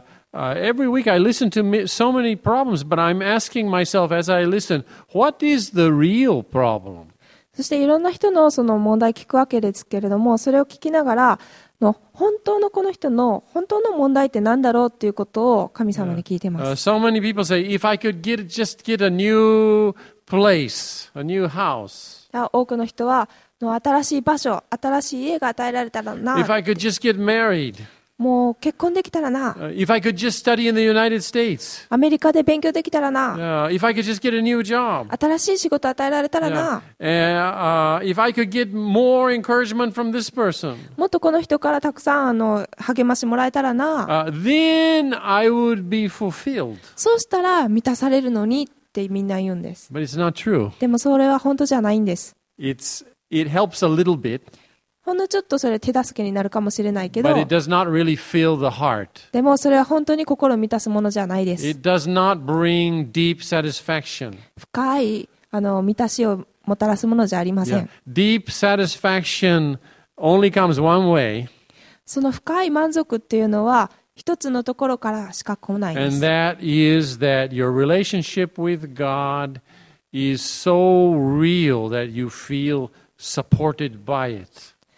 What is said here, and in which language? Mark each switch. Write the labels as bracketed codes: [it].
[en] every week I listen to so many problems, but I'm asking myself as I listen, what is the real problem? [ja] そしていろんな人のその問題聞くわけですけれども、それを聞きながら、本当のこの人の本当の問題って何だろうっていうことを神様に聞いてます。 [en] So many people say, if I could get a new place, a new house. [ja] 多くの人は新しい場所、新しい家が与えられたらな。 [en] If I could just get married. [ja] もう結婚できたらな。 [en] If I could just study in the United States. [ja] アメリカで勉強できたらな。 [en] If I could just get a new job. [ja] 新しい仕事与えられたらな。 [en] If I could get more encouragement from this person. [ja] もっとこの人からたくさん励ましもらえたらな。 [en] Then I would be fulfilled. [ja] そうしたら満たされるのに。ってみんな言うんです。 [en] But it's not true. [ja] でもそれは本当じゃないんです。 [en] It helps a little bit. [ja] ほんのちょっとそれ手助けになるかもしれないけど。 [en] But it does not really fill the heart. [ja] でもそれは本当に心を満たすものじゃないです。 [en] It does not bring deep satisfaction. [ja] 深い満たしをもたらすものじゃありません。 [en] Yeah. Deep satisfaction only comes one way. [ja] その深い満足っていうのは一つのところからしか来ないです。 [en] And that is that your relationship with God is so real that you feel supported by it.